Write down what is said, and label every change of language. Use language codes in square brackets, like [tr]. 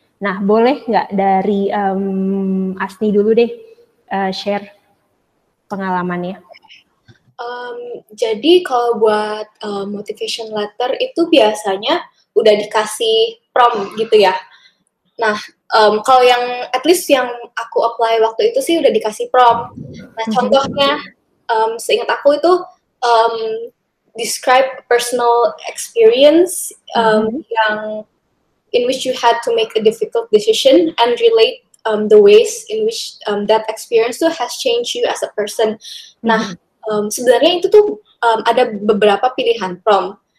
[id] Nah, boleh nggak dari Asni dulu deh share pengalamannya? Jadi kalau buat motivation letter itu biasanya udah dikasih prompt gitu ya. Nah, kalau yang at least yang aku apply waktu itu sih udah dikasih prompt. Nah, contohnya seingat aku itu [en] describe personal experience [id] yang [en] in which you had to make a difficult decision and relate the ways in which that experience too has changed you as a person. [id] Nah, sebenarnya itu tuh ada beberapa pilihan prompt.